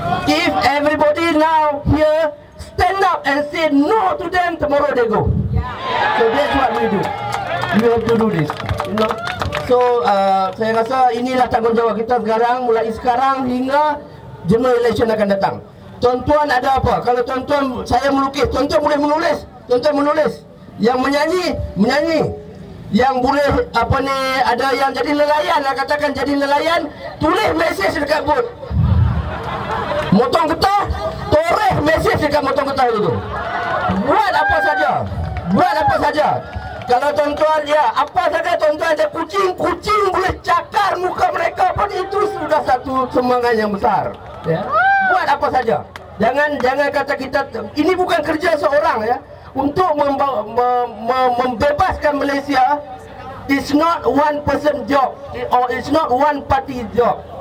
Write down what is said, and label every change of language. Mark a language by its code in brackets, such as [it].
[en] If everybody now here stand up and say no to them, tomorrow they go. So that's what we do. You have to do this, you know. [ms] So saya rasa inilah tanggungjawab kita sekarang, mulai sekarang hingga general election akan datang. Tuan-tuan ada apa? Kalau tuan-tuan, saya melukis, tuan-tuan boleh menulis. Tuan-tuan menulis. Yang menyanyi, menyanyi. yang boleh apa ni, ada yang jadi nelayan lah, katakan jadi nelayan, tulis mesej dekat bot motong getah, toreh mesej dekat motong getah itu. Buat apa saja, buat apa saja. Kalau tuan-tuan, ya, apa saja tuan-tuan, ada kucing-kucing boleh cakar muka mereka pun, itu sudah satu semangat yang besar. Ya. Buat apa saja. Jangan kata kita, ini bukan kerja seorang, ya. Untuk membebaskan Malaysia, [en] it's not one person job, or it's not one party job.